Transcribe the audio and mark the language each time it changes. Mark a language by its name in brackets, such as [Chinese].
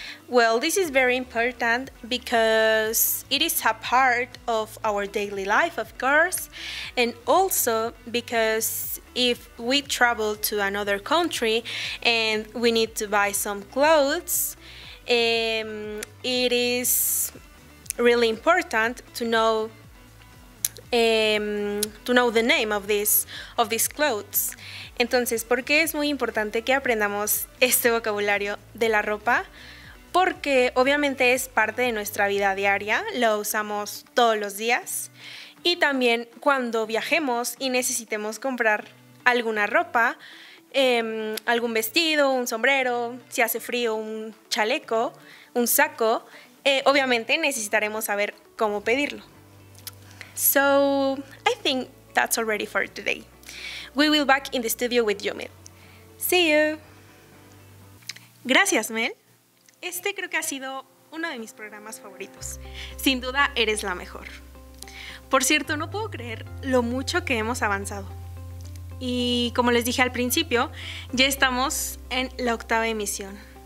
[English] Well, this is very important because it is a part of our daily life, of course, and also because if we travel to another country and we need to buy some clothes, it is really important to know the name of these clothes. [Spanish] Entonces, ¿por qué es muy importante que aprendamos este vocabulario de la ropa? Porque obviamente es parte de nuestra vida diaria, lo usamos todos los días, y también cuando viajemos y necesitemos comprar alguna ropa, algún vestido, un sombrero, si hace frío, un chaleco, un saco, obviamente necesitaremos saber cómo pedirlo. [English] So, I think that's already for today. We will back in the studio with you, Mel. See you. [Spanish] Gracias, [English] Mel. [Spanish] Este creo que ha sido uno de mis programas favoritos. Sin duda, eres la mejor. Por cierto, no puedo creer lo mucho que hemos avanzado. Y como les dije al principio, ya estamos en la octava emisión.